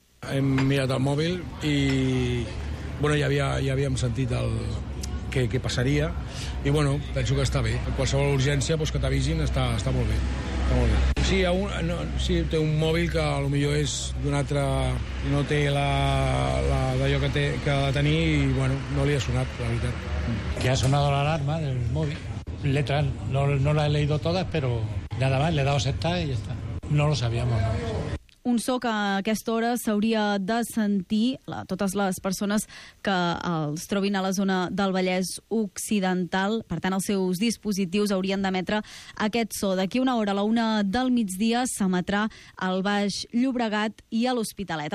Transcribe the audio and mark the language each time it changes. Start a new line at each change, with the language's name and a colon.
Catalan: Hem mirat el mòbil i bueno, ja havíem sentit el què passaria. I bueno, penso que està bé. Qualsevol urgència pues, que t'avisin està molt bé. Sí, sí, té un mòbil que potser és d'un altre, no té la d'allò que ha de tenir i, bueno, no li ha sonat, la veritat.
Spanish: Que ha sonado la alarma del mòbil. Letras, no la he leído todas, pero nada más, le he dado aceptar y ya está. No lo sabíamos.
Catalan: un so que a aquesta hora s'hauria de sentir a totes les persones que els trobin a la zona del Vallès Occidental. Per tant, els seus dispositius haurien d'emetre aquest so. D'aquí una hora, a la una del migdia, s'emetrà al Baix Llobregat i a l'Hospitalet.